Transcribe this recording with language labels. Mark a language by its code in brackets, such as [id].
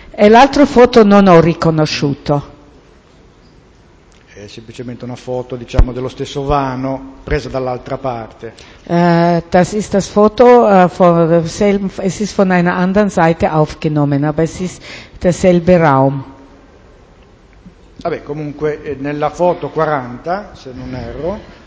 [it] E l'altro foto non ho riconosciuto. È semplicemente una foto, diciamo, dello stesso vano presa dall'altra parte. [de] Das ist das Foto von es ist von einer anderen Seite aufgenommen, aber es ist derselbe Raum. [it] Vabbè, comunque nella foto 40, se non erro,